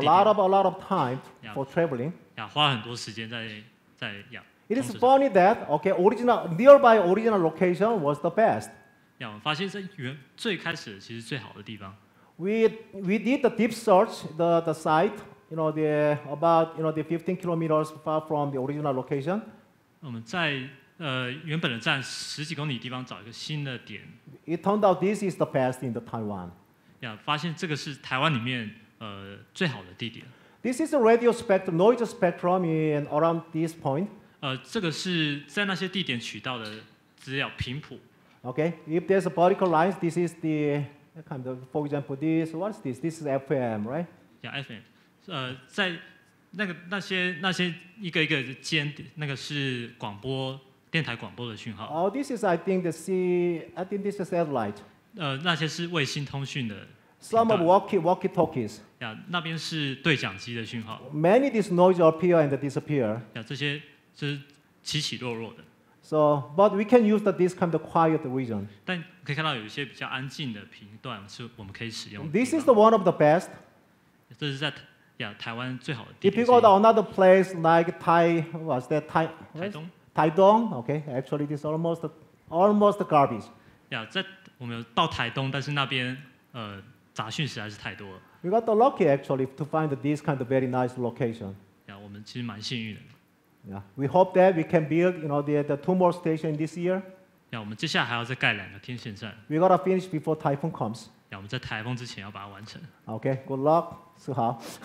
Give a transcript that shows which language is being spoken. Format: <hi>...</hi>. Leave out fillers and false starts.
<en>点。Spent a lot of time for traveling.</en> <zh>花很多时间在</zh> <en>It is funny that okay, nearby original location was the best.</en> <zh>我们发现在最开始其实最好的地方。</zh> <en>We did a deep search the site, you know, about 15 kilometers far from the original location.</en> <zh>我们在原本的站十几公里地方找一个新的点。</zh> <en>It turned out this is the best in the Taiwan.</en> <zh>发现这个是台湾里面最好的地点。</zh> <en>This is a radio spectrum, noise spectrum in around this point.</en> <zh>这个是在那些地点取到的资料频谱。</zh> <en>Okay, if there's a vertical line, this is the Kind of, for example, this. What is this? This is FM, right? Yeah, FM.</en> <zh>在那些一个一个间，那个是广播电台广播的讯号。</zh> <en>Oh, this is, I think, the C. I think this is satellite.</en> <zh>那些是卫星通讯的。</zh> <en>Some of walkie-talkies.</en> <zh>呀，那边是对讲机的讯号。</zh> <en>Many these noise appear and disappear.</en> <zh>呀，这些是起起落落的。</zh> <en>So, but we can use this kind of quiet region.</en> <zh>但可以看到有一些比较安静的频段是我们可以使用的。</zh> <en>This is the one of the best.</en> <zh>这是在呀台湾最好的地</zh> <en>点。If you go to another place like Taidong, okay, actually this is almost garbage.</en> <zh>呀，在我们有到台东，但是那边杂讯实在是太多了。</zh> <en>We got the lucky actually to find this kind of very nice location.</en> <zh>呀，我们其实蛮幸运的。</zh> <en>Yeah, we hope that we can build, you know, the two more stations this year.</en> <zh>Yeah, 我们接下来还要再盖两个天线站。</zh> <en>We gotta finish before typhoon comes.</en> <zh>Yeah, 我们在台风之前要把它完成。</zh> <en>Okay, good luck, 四豪。</en>